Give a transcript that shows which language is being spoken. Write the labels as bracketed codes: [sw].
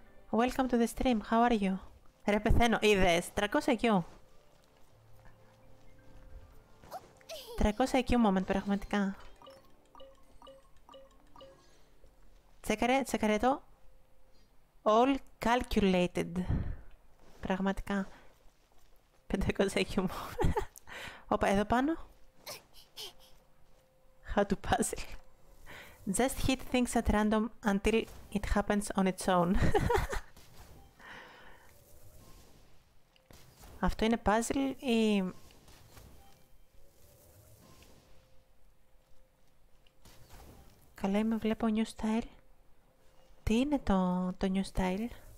[en] Welcome to the stream, how are you? [el] Ρε πεθαίνω, είδες, 300 IQ. 300 IQ moment, πραγματικά. Τσέκαρε το. [en] All calculated. [el] Πραγματικά. 500 IQ moment. Όπα, εδώ πάνω. [en] How to puzzle. Just hit things at random until it happens on its own. [el] Αυτό είναι puzzle ή... Καλά είμαι, βλέπω new style. Τι είναι το new style?